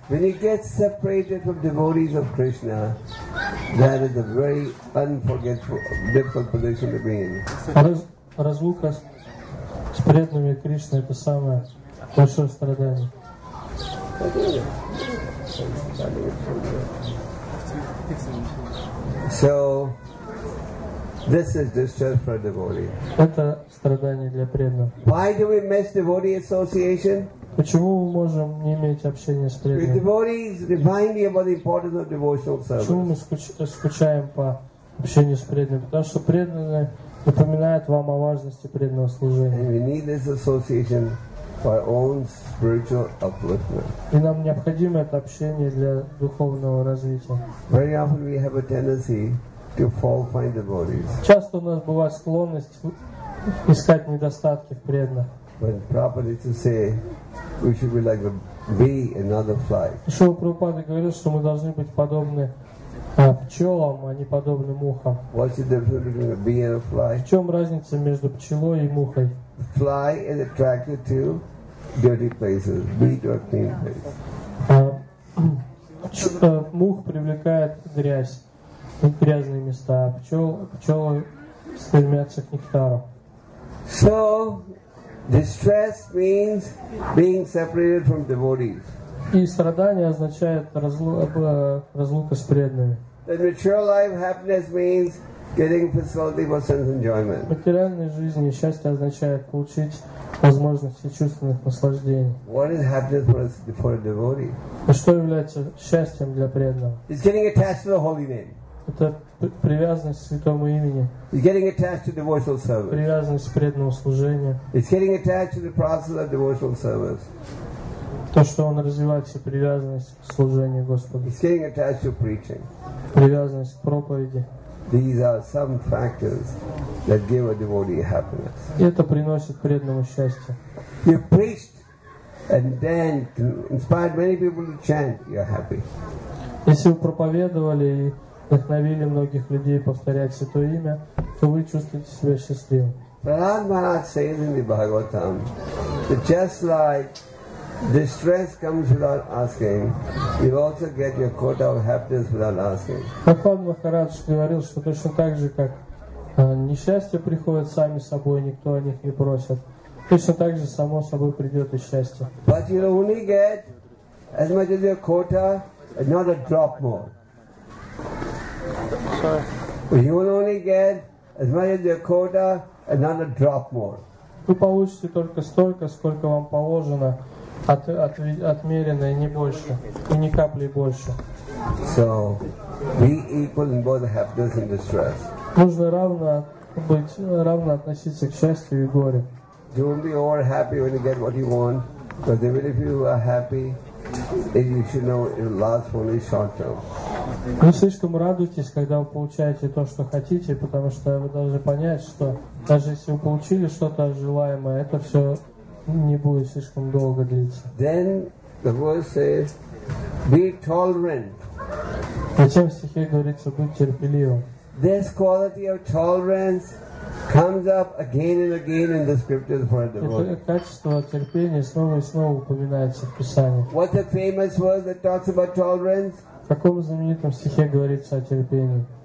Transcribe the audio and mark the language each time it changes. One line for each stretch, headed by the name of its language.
English: When you get separated from devotees of Krishna, that is a very unforgettable, difficult position to be in.
Russian: Разлука с преданными Кришны – это самое большое страдание.
English: So, this is distress for a devotee.
Russian: Это страдание для преданного.
English: Why do we miss devotee association?
Russian: Почему мы можем не иметь общения с преданными?
English: The devotees remind me about the importance of devotional service.
Russian: Почему мы скучаем по общению с преданными? Потому что преданные напоминают вам о важности преданного служения.
English: And we need this association for our own spiritual upliftment.
Russian: И нам необходимо это общение для духовного развития.
English: Very often we have a tendency to fall find devotees.
Russian: Часто у нас бывает склонность искать недостатки в преданных.
English: But properly to say, we should be like a bee, another fly.
Russian: Шрила Прабхупада говорит, что мы должны быть подобны пчелам, а не подобны мухам.
English: What's the difference between a bee and a fly?
Russian: В чем разница между пчелой и мухой?
English: Fly is attracted to dirty places, bee to a clean place.
Russian: Мух привлекает грязь, грязные места, а пчелы стремятся к нектару.
English: So, distress means being separated from devotees.
Russian: И страдание означает разлука с преданными.
English: Then material life happiness means getting facility for sense enjoyment.
Russian: Материальной жизни счастье означает получить возможности чувственных наслаждений.
English: What is happiness for a devotee?
Russian: И что является счастьем для преданного?
English: It's getting attached to the holy name.
Russian: Это привязанность к святому имени.
English: It's getting attached to devotional service.
Russian: Привязанность к преданному служению.
English: It's getting attached to the process of devotional service.
Russian: То, что он развивает всю привязанность к служению Господу.
English: He's getting attached to preaching.
Russian: Привязанность к проповеди.
English: These are some factors that give a devotee happiness.
Russian: И это приносит преданному счастье.
English: You preached and then inspired many people to chant, you're happy.
Russian: Если вы проповедовали и вдохновили многих людей повторять святое имя, то вы чувствуете себя счастливым.
English: Prahlad Maharaj says in the Bhagavatam that just like distress comes without asking, you also get your quota of happiness without asking.
Russian: Прахлад Махарадж говорил, что точно так же, как несчастье приходит сами собой, никто о них не просит, точно так же само собой придет и счастье.
English: But you only get as much as your quota, and not a drop more. Sorry. You will only get as much as your quota, and not a drop more.
Russian: Вы получите только столько, сколько вам положено. Отмерено и не больше, и ни капли больше.
English: So, be equal in both happiness and distress.
Russian: Нужно равно быть, равно относиться к счастью и горе.
English: Don't be over happy when you get what you want, but even if you are happy, you should know it lasts only short term.
Russian: Не слишком радуйтесь, когда вы получаете то, что хотите, потому что вы должны понять, что даже если вы получили что-то желаемое, это все не будет слишком долго длиться.
English: Then the verse says, be tolerant.
Russian: Затем в стихе говорится, будь терпеливым.
English: This quality of tolerance comes up again and again in the scriptures for a devotee.
Russian: Это качество терпения снова и снова упоминается в Писании.
English: What's a famous verse that talks about tolerance?
Russian: В каком знаменитом стихе говорится о терпении?